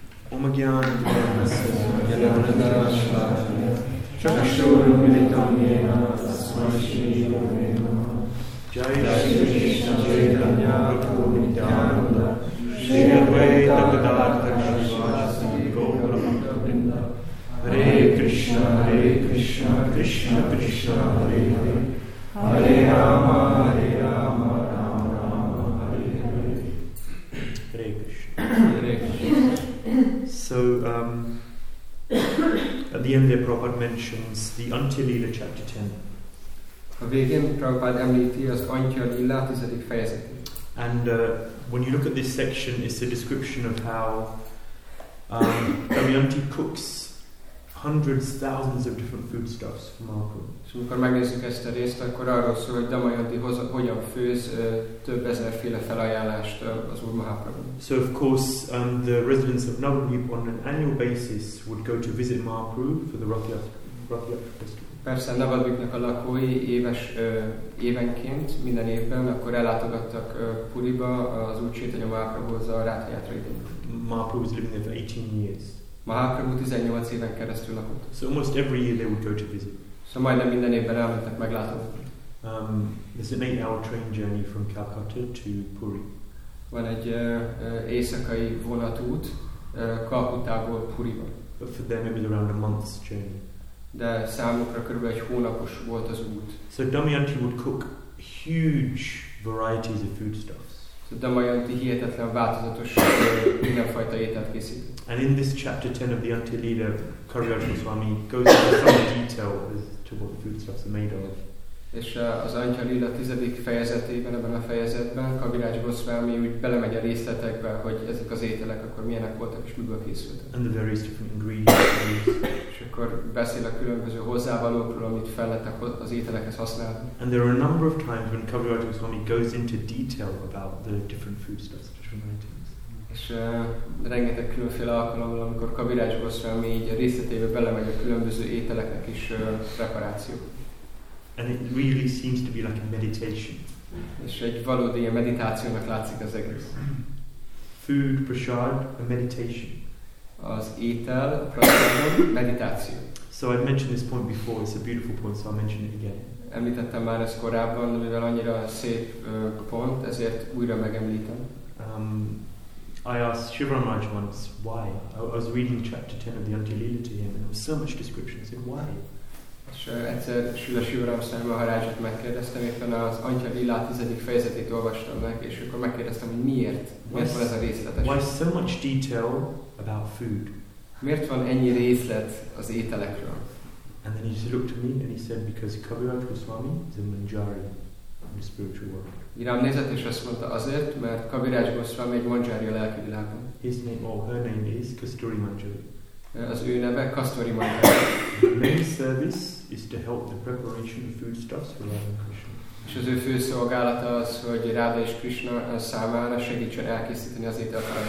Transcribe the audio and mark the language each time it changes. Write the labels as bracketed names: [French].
[Sanskrit] Om Gyana Dvarna Sajnana Chakshuru Militam Yena Tasmai Shri Yomena Jai Shri Krishna Chaitanya Prabhu Nityananda Shri Advaita Gadadhar Shrivasa Gaura Bhakta Vrinda Hare Krishna Hare Krishna Krishna Krishna Hare Hare Hare Rama Hare Rama Rama Rama Hare Hare Hare Krishna Hare Krishna. [English] So at the end there Prabhupada mentions the Antya Lila chapter 10. [Hungarian] A végén Prabhupada említi az Antya Lila 10. fejezetét. [English] And when you look at this section, it's a description of how Damayanti cooks hundreds, thousands of different foodstuffs for Mahaprabhu. [Hungarian] És amikor megnézzük ezt a részt, akkor arról szól, hogy Damayanti hogyan főz több ezerféle felajánlást az Úr Mahaprabhu. [English] So of course, the residents of Navadvip on an annual basis would go to visit Mahaprabhu for the Rathyatra festival. [Hungarian] Persze, Navadvipnak a lakói évenként, minden évben, akkor ellátogattak Puriba az Úr Chaitanya Mahaprabhuhoz a Rathyatra idején. [English] Mahaprabhu was living there for 18 years. [Hungarian] Mahaprabhu 18 éven keresztül lakott. [English] So almost every year they would go to visit. [Hungarian] So majdnem minden évben elmentek meglátogatni. [English] There's an 8-hour train journey from Calcutta to Puri. [Hungarian] Van egy éjszakai vonatút Calcuttából Puriba. [English] But for them it was around a month's journey. [Hungarian] De számukra körülbelül egy hónapos volt az út. [English] So Damayanti would cook huge varieties of foodstuffs. [Hungarian] So Damayanti hihetetlen változatos mindenfajta ételt készít. [English] And in this chapter 10 of the Antya Lila, Kariyajan Swami goes into some detail as to what the foodstuffs are made of. [Hungarian] És az Antya Lila 10. fejezetében, ebben a fejezetben, Kaviraj Goswami úgy belemegy a részletekbe, hogy ezek az ételek akkor milyenek voltak, és miből készültek. [English] And the various different ingredients. [Hungarian] És és akkor beszél a különböző hozzávalókról, amit fel lehet az ételekhez használni. [English] And there are a number of times when Kaviraj Goswami goes into detail about the different foodstuffs, different items. [Hungarian] És rengeteg különféle alkalommal, amikor Kaviraj Goswami így a részletébe belemegy a különböző ételeknek is preparáció. [English] And it really seems to be like a meditation. [Hungarian] És egy valódi meditációnak látszik az egész. [English] Food, prasad, a meditation. [Hungarian] Az étel, a prasadam, meditáció. [English] So I've mentioned this point before, it's a beautiful point, so I'll mention it again. [Hungarian] Említettem már ezt korábban, mivel annyira szép pont, ezért újra megemlítem. [English] I asked Shivaramaj once, why? I was reading chapter 10 of the Antilila to him, and there was so much description, I said, why? [Hungarian] És egyszer Srila Sivaram Maharajot megkérdeztem, éppen az Antya Lila 10. fejezetét olvastam meg, és akkor megkérdeztem, hogy miért van ez a részletes. [English] Why so much detail about food? [Hungarian] Miért van ennyi részlet az ételekről? [English] And then he just looked at me and he said, because Kaviraj Goswami is a manjari in the spiritual world. [Hungarian] Irám nézett és azt mondta, azért, mert Kaviraj Goswami egy manjari a lelki világon. [English] His name or her name is Kasturi Manjari. [Hungarian] Az ő neve Kasturi Manjari. [English] Main service is to help the preparation of foodstuffs for Radha and Krishna. [Hungarian] És az ő fő szolgálata az, hogy Radha és Krishna számára segítsen elkészíteni az ételt.